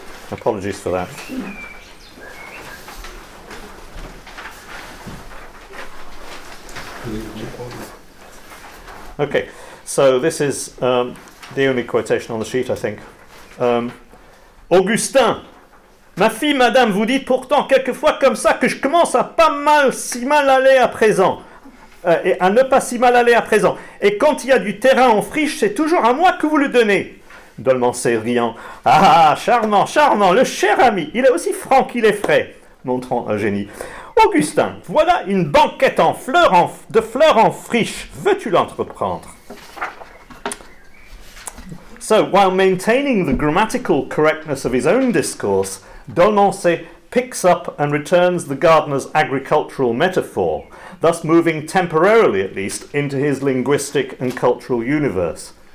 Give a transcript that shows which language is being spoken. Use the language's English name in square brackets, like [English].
[English] Apologies for that. Okay, so this is the only quotation on the sheet, I think. [French] Augustin, ma fille, madame, vous dites pourtant quelquefois comme ça que je commence à pas mal si mal aller à présent. Et à ne pas si mal aller à présent. Et quand il y a du terrain en friche, c'est toujours à moi que vous le donnez. Dolmansé riant. Ah, charmant, charmant, le cher ami, il est aussi franc qu'il est frais, montrant Eugénie. Augustin, voilà une banquette en fleurs de fleurs en friche. Veux-tu l'entreprendre? [English] So, while maintaining the grammatical correctness of his own discourse, Dolmansé picks up and returns the gardener's agricultural metaphor, thus moving temporarily, at least, into his linguistic and cultural universe.